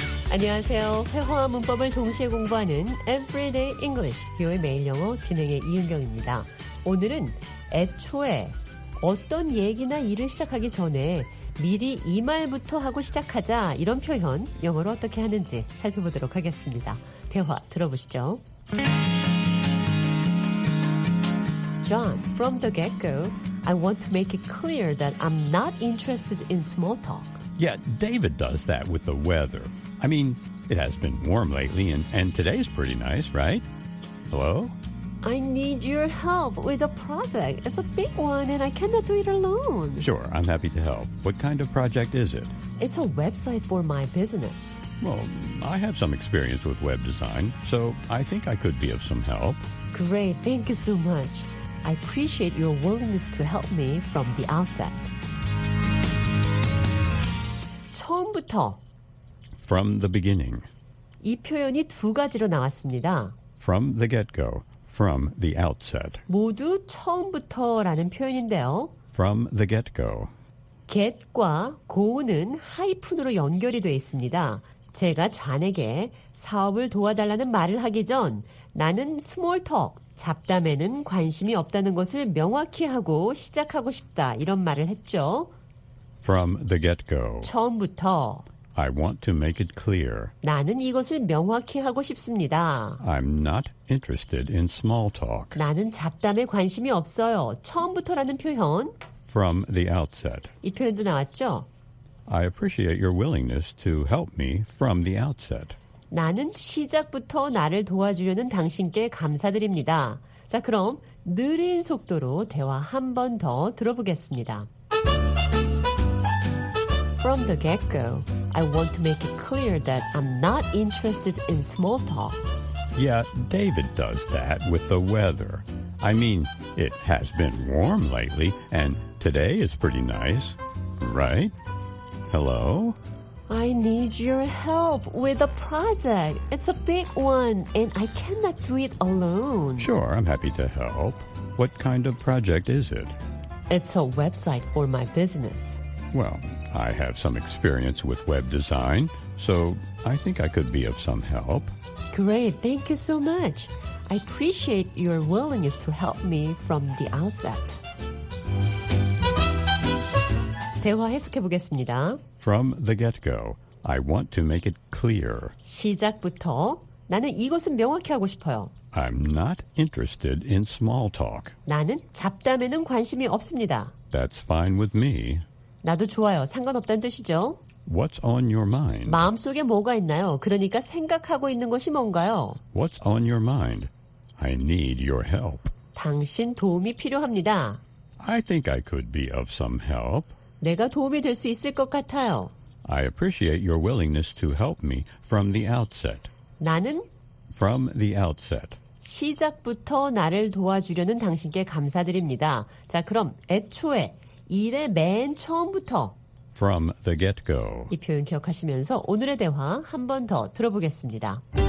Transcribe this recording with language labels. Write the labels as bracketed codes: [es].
[ko] 회화와 문법을 동시에 공부하는 Everyday English, 비오의 매일 영어 진행의 이은경입니다. 오늘은 애초에 어떤 얘기나 일을 시작하기 전에 미리 이 말부터 하고 시작하자, 이런 표현 영어로 어떻게 하는지 살펴보도록 하겠습니다. 대화 들어보시죠. [en] John, from the get-go, I want to make it clear that I'm not interested in small talk. Yeah, David does that with the weather. I mean, it has been warm lately, and today's pretty nice, right? Hello? I need your help with a project. It's a big one, and I cannot do it alone. Sure, I'm happy to help. What kind of project is it? It's a website for my business. Well, I have some experience with web design, so I think I could be of some help. Great, thank you so much. I appreciate your willingness to help me from the outset. [ko] 처음부터 [en] From the beginning. [ko] 이 표현이 두 가지로 나왔습니다. [en] From the get-go, from the outset. [ko] 모두 처음부터라는 표현인데요. [en] From the get-go. [ko] get과 go는 하이픈으로 연결이 되어 있습니다. 제가 존에게 사업을 도와달라는 말을 하기 전 나는 스몰 톡, 잡담에는 관심이 없다는 것을 명확히 하고 시작하고 싶다 이런 말을 했죠. [en] From the get-go. [ko] 처음부터. [en] I want to make it clear. [ko] 나는 이것을 명확히 하고 싶습니다. [en] I'm not interested in small talk. [ko] 나는 잡담에 관심이 없어요. 처음부터라는 표현. [en] From the outset. [ko] 이 표현도 나왔죠. [en] I appreciate your willingness to help me from the outset. [ko] 나는 시작부터 나를 도와주려는 당신께 감사드립니다. 자, 그럼 느린 속도로 대화 한 번 더 들어보겠습니다. [en] From the get-go, I want to make it clear that I'm not interested in small talk. Yeah, David does that with the weather. I mean, it has been warm lately, and today is pretty nice, right? Hello? I need your help with a project. It's a big one, and I cannot do it alone. Sure, I'm happy to help. What kind of project is it? It's a website for my business. Well, I have some experience with web design, so I think I could be of some help. Great, thank you so much. I appreciate your willingness to help me from the outset. [ko] 대화 해석해 보겠습니다. [en] From the get-go, I want to make it clear. [ko] 시작부터 나는 이것은 명확히 하고 싶어요. [en] I'm not interested in small talk. [ko] 나는 잡담에는 관심이 없습니다. [en] That's fine with me. [ko] 나도 좋아요. 상관없다는 뜻이죠. [en] What's on your mind? [ko] 마음속에 뭐가 있나요? 그러니까 생각하고 있는 것이 뭔가요? [en] What's on your mind? I need your help. [ko] 당신 도움이 필요합니다. [en] I think I could be of some help. [ko] 내가 도움이 될 수 있을 것 같아요. [en] I appreciate your willingness to help me from the outset. [ko] 나는 [en] from the outset. [ko] 시작부터 나를 도와주려는 당신께 감사드립니다. 자, 그럼 애초에 일의 맨 처음부터 [en] From the get-go [ko] 이 표현 기억하시면서 오늘의 대화 한 번 더 들어보겠습니다.